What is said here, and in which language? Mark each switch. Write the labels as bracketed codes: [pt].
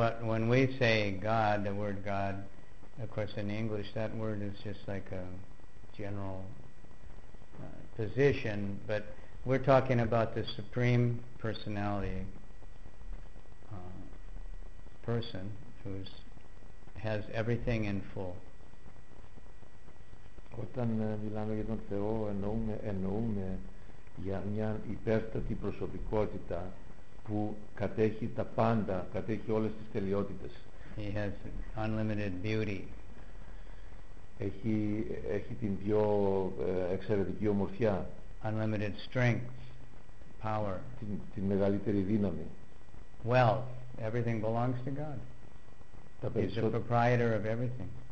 [en] When we say God, the word God, of course in English that word is just like a general position, but we're talking about the Supreme Personality, person who has everything in full. [el] Όταν μιλάμε για τον Θεό εννοούμε για μια υπέρτατη προσωπικότητα που κατέχει τα πάντα, κατέχει όλες τις τελειότητες. [en] He has unlimited beauty. [el] Έχει την πιο εξαιρετική ομορφιά. [en] Unlimited strength, power. [el] Την μεγαλύτερη δύναμη. [en] Wealth, everything belongs to God. He's the proprietor of everything.